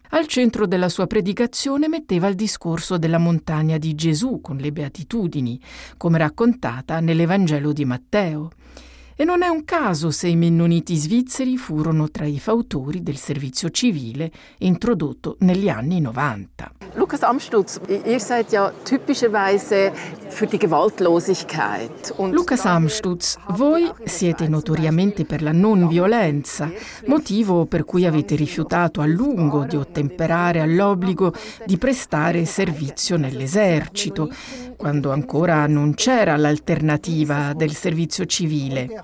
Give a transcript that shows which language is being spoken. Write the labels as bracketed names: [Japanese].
[Italian] Al centro della sua predicazione metteva il discorso della montagna di Gesù con le beatitudini, come raccontata nell'Evangelo di Matteo. E non è un caso se i mennoniti svizzeri furono tra i fautori del servizio civile introdotto negli anni 90. [German] Lukas Amstutz, ihr seid ja typischerweise für die Gewaltlosigkeit. [Italian] Lukas Amstutz, voi siete notoriamente per la non violenza, motivo per cui avete rifiutato a lungo di ottemperare all'obbligo di prestare servizio nell'esercito, quando ancora non c'era l'alternativa del servizio civile.